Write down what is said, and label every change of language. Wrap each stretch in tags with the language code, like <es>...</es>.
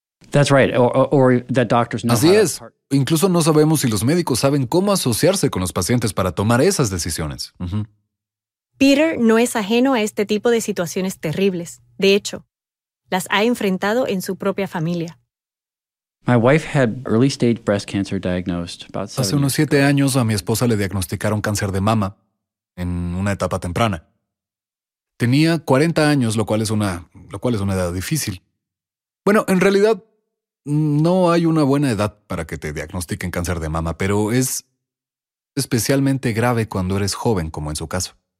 <en>That's right, or that doctors know.</en> <es>Así es. Incluso no sabemos si los médicos saben cómo asociarse con los pacientes para tomar esas decisiones. Peter no es ajeno a este tipo de situaciones terribles. De hecho, las ha enfrentado en su propia familia.</es> <en>My wife had early stage breast cancer diagnosed about 7</en> <es>Hace unos 7 años a mi esposa le diagnosticaron cáncer de mama en una etapa temprana. Tenía 40 años, lo cual es una edad difícil. Bueno, en realidad no hay una buena edad para que te diagnostiquen cáncer de mama, pero es especialmente grave cuando eres joven, como en su caso.</es>